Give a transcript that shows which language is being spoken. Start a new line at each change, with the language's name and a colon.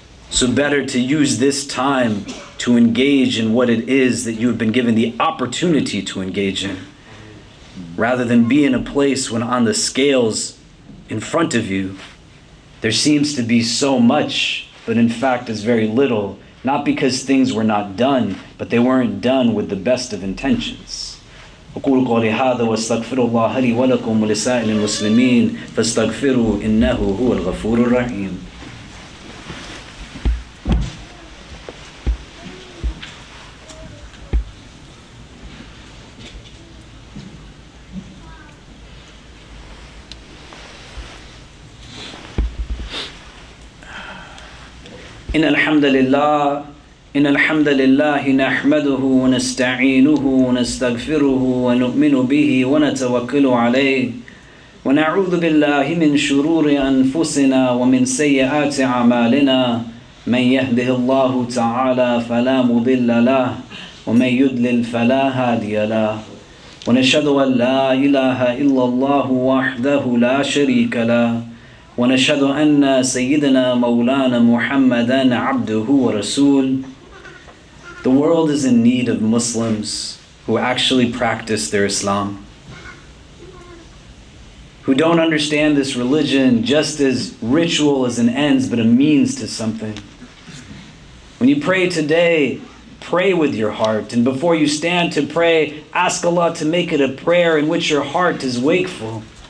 English: So better to use this time to engage in what it is that you have been given the opportunity to engage in, rather than be in a place when on the scales in front of you, there seems to be so much, but in fact is very little, not because things were not done, but they weren't done with the best of intentions.
Arabic: أقول قولي هذا واستغفر الله لي ولكم ولسائر المسلمين فاستغفروا إنه هو الغفور الرحيم. إن الحمد لله إن الحمد لله نحمده ونستعينه ونستغفره ونؤمن به ونتوكل عليه ونعوذ بالله من شرور أنفسنا ومن سيئات أعمالنا من يهده الله تعالى فلا مضل له ومن يضلل فلا هادي له ونشهد أن لا إله إلا الله وحده لا شريك له ونشهد أن سيدنا مولانا محمدا عبده ورسول.
English: The world is in need of Muslims who actually practice their Islam, who don't understand this religion just as ritual as an ends but a means to something. When you pray today, pray with your heart, and before you stand to pray, ask Allah to make it a prayer in which your heart is wakeful.